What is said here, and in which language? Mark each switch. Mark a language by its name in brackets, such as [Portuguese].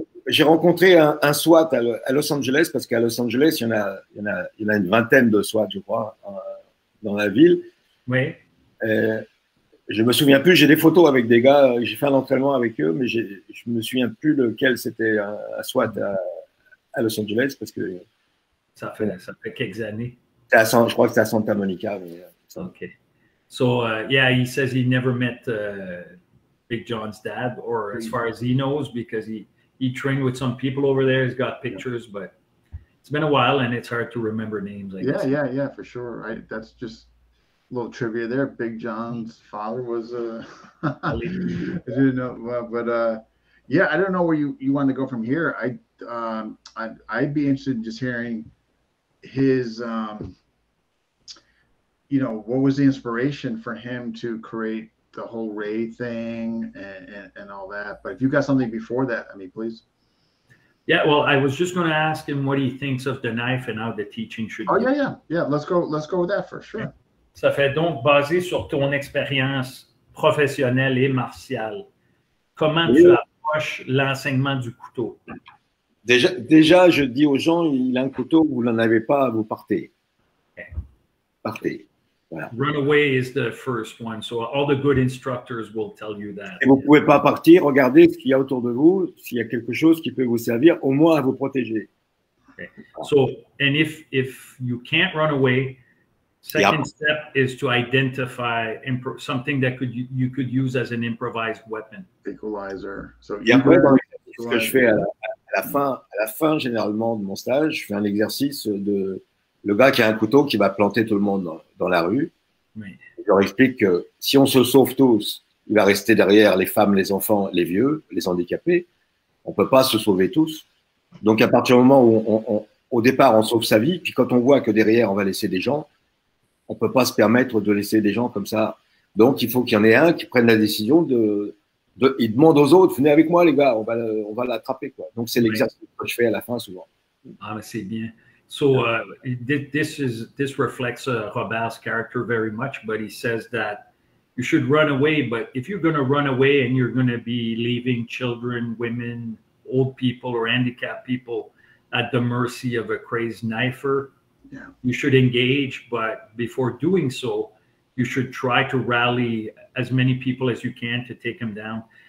[French] J'ai rencontré un SWAT à Los Angeles, parce qu'à Los Angeles, il y en a une vingtaine de SWAT, je crois, dans la ville. Oui. Je ne me souviens plus, j'ai des photos avec des gars, j'ai fait un entraînement avec eux, mais je ne me souviens plus lequel c'était un SWAT à Los Angeles, parce que... Ça fait quelques années. Je crois que c'est à Santa Monica. [English] Okay. So, yeah, he says he never met Big John's dad, or as far as he knows, because he trained with some people over there. He's got pictures, but it's been a while, and it's hard to remember names, I guess. Yeah, for sure. That's just a little trivia there. Big John's father was a... I didn't know, but I don't know where you want to go from here. I'd be interested in just hearing his, what was the inspiration for him to create the whole Ray thing and all that. But if you've got something before that, I mean, please. Yeah, well, I was just going to ask him what he thinks of the knife and how the teaching should be. Yeah. Let's go with that for sure. [French] Ça fait donc basé sur ton expérience professionnelle et martiale. Comment tu approches l'enseignement du couteau? Déjà, je dis aux gens, il a un couteau, vous n'en avez pas, vous partez. Partez. Voilà. [English] Run away is the first one. So all the good instructors will tell you that. [French] Et vous ne pouvez pas partir, regardez ce qu'il y a autour de vous, s'il y a quelque chose qui peut vous servir, au moins à vous protéger. [English] Okay. So, and if you can't run away, second step is to identify something that you could use as an improvised weapon. Equalizer. [French] So, ce que je fais à la fin, généralement, de mon stage, je fais un exercice de le gars qui a un couteau qui va planter tout le monde dans la rue. Oui. Je leur explique que si on se sauve tous, il va rester derrière les femmes, les enfants, les vieux, les handicapés. On ne peut pas se sauver tous. Donc, à partir du moment où, au départ, on sauve sa vie, puis quand on voit que derrière, on va laisser des gens, on ne peut pas se permettre de laisser des gens comme ça. Donc, il faut qu'il y en ait un qui prenne la décision de... il demande aux autres, venez avec moi les gars, on va l'attraper, quoi. Donc c'est l'exercice que je fais à la fin souvent. Ah mais c'est bien. [English] So this reflects Robert's character very much, but he says that you should run away, but if you're going to run away and you're going to be leaving children, women, old people or handicapped people at the mercy of a crazed knifer, you should engage, but before doing so, you should try to rally as many people as you can to take them down.